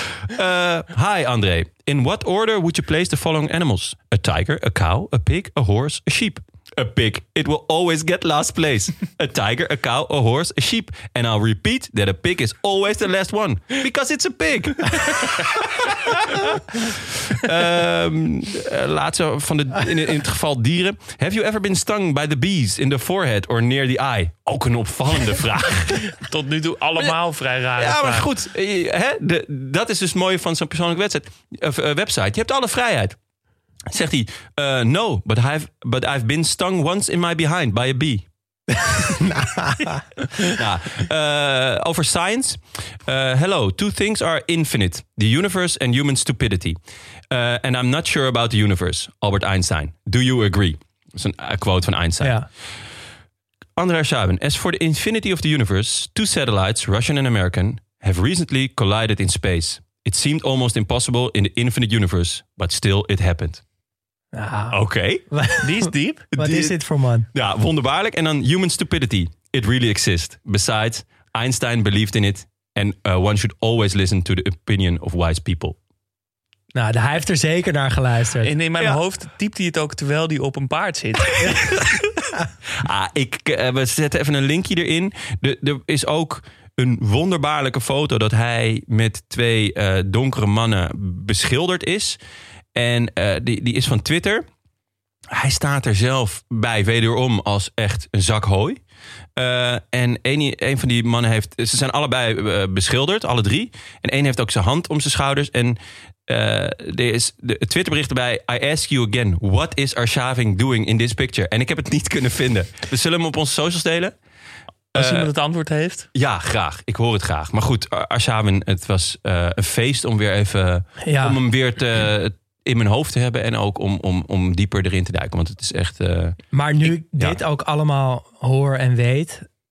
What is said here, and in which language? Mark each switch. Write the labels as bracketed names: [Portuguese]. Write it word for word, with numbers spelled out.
[English] Uh, hi André, in what order would you place the following animals? A tiger, a cow, a pig, a horse, a sheep. A pig, it will always get last place. A tiger, a cow, a horse, a sheep. And I'll repeat that a pig is always the last one. Because it's a pig. [Dutch] um, laatste van de, in, in het geval dieren. [English] Have you ever been stung by the bees in the forehead or near the eye? [Dutch] Ook een opvallende vraag. Tot nu toe allemaal vrij raar. Ja, maar goed. Hè? De, dat is dus het mooie van zo'n persoonlijke wedstrijd, uh, website. Je hebt alle vrijheid. Zegt hij, [English] uh, no, but I've, but I've been stung once in my behind by a bee. nah. Nah. Uh, over science. Uh, hello, two things are infinite. The universe and human stupidity. Uh, and I'm not sure about the universe. Albert Einstein. Do you agree? [Dutch] Dat is een quote van Einstein. Ja. André Arshavin. [English] As for the infinity of the universe, two satellites, Russian and American, have recently collided in space. It seemed almost impossible in the infinite universe, but still it happened. Ah. [Dutch] Oké. Okay. Die is diep. Wat is dit voor man? Ja, wonderbaarlijk. En dan human stupidity. [English] It really exists. Besides, Einstein believed in it. And uh, one should always listen to the opinion of wise people. [Dutch] Nou, hij heeft er zeker naar geluisterd. En in mijn ja. hoofd typt hij het ook terwijl hij op een paard zit. ah, ik, uh, we zetten even een linkje erin. Er, er is ook... een wonderbaarlijke foto dat hij met twee uh, donkere mannen beschilderd is. En uh, die, die is van Twitter. Hij staat er zelf bij wederom als echt een zak hooi. Uh, en een, een van die mannen heeft... Ze zijn allebei uh, beschilderd, alle drie. En een heeft ook zijn hand om zijn schouders. En uh, er is de Twitterbericht erbij. [English] I ask you again, what is Arshavin doing in this picture? [Dutch] En ik heb het niet kunnen vinden. We zullen hem op onze socials delen. Als iemand het antwoord heeft? Uh, ja, graag. Ik hoor het graag. Maar goed, Arshavin, het was uh, een feest om weer even ja. om hem weer te, uh, in mijn hoofd te hebben. En ook om, om, om dieper erin te duiken. Want het is echt... Uh, maar nu ik dit ja. ook allemaal hoor en weet...